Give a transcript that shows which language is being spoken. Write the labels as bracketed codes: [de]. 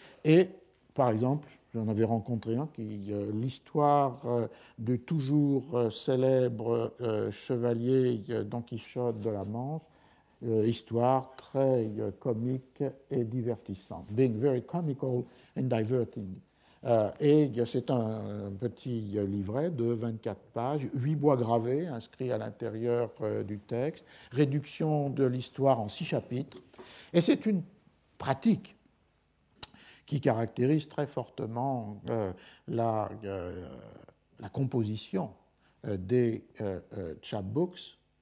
[fr] Et, par exemple, j'en avais rencontré un, qui l'histoire du toujours célèbre chevalier Don Quichotte de la Manche, histoire très comique et divertissante. [en] Being very comical and diverting. [fr] Et c'est un petit livret de 24 pages, 8 bois gravés inscrits à l'intérieur du texte, réduction de l'histoire en 6 chapitres. Et c'est une pratique qui caractérise très fortement la composition des chapbooks.